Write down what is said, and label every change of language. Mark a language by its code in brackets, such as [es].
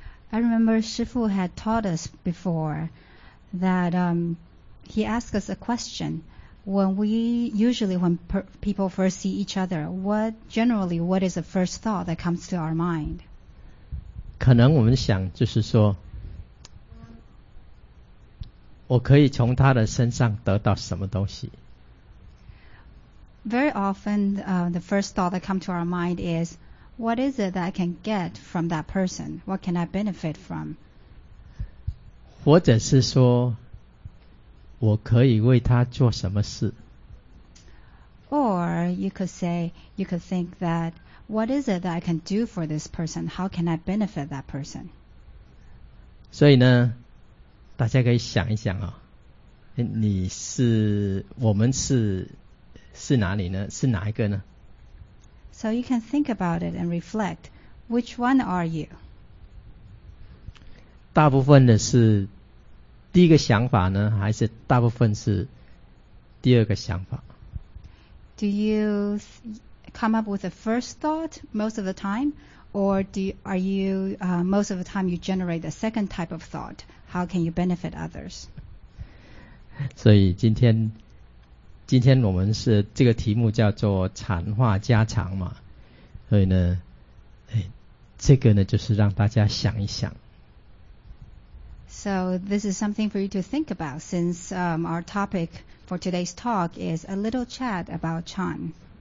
[en] I remember 师父 had taught us before that he asked us a question. When people first see each other, what is the first thought that comes to our mind? [zh] 可能我们想就是说，我可以从他的身上得到什么东西。 [en] Very often, the first thought that comes to our mind is, what is it that I can get from that person? What can I benefit from? [zh] 或者是说，我可以为他做什么事。 [en] Or you could think that, what is it that I can do for this person? How can I benefit that person? [zh] 所以呢，大家可以想一想你是，我们是是哪里呢？是哪一个呢？ [en] So you can think about it and reflect. Which one are you? [zh] 大部分的是第一个想法呢，还是大部分是第二个想法？ [en] Do you come up with the first thought most of the time? Or most of the time you generate the second type of thought? How can you benefit others? [zh] 所以今天我们是这个题目叫做禅话家常嘛，所以呢，这个呢就是让大家想一想。 [en] So this is something for you to think about, since our topic for today's talk is a little chat about Chan.